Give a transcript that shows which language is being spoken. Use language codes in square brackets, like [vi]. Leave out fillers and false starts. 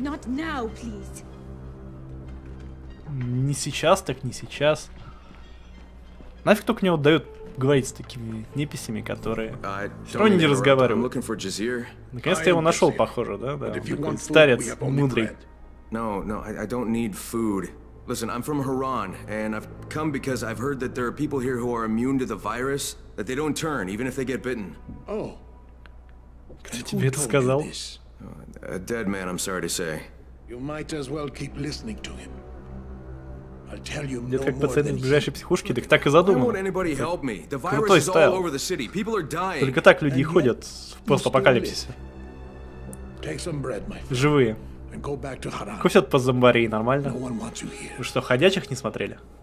[en] Not now, please. [ru] Не сейчас, так не сейчас. Нафиг только мне отдают говорить с такими неписями, которые все равно не разговаривают. Наконец-то я его нашел, похоже, да? Да, он старец, мудрый. [en] No, I don't need food. Listen, I'm from Haran, and I've come because I've heard that there are people here who are immune to the virus, that they don't turn, even if they get bitten. Oh. [ru] Кто тебе это сказал? [en] A dead man, I'm sorry to say. You might as well keep listening to him. I'll tell you more than [ru] пациент из ближайшей психушки, так так и задумал. [en] Why anybody help me? The virus is all over the city. People are dying. [ru] Только так люди и ходят в постапокалипсисе. [en] Take some bread, my friend. [ru] Живые. [en] And go back to Haran. [ru] Кусят по зомбарии, нормально. Вы что, ходячих не смотрели?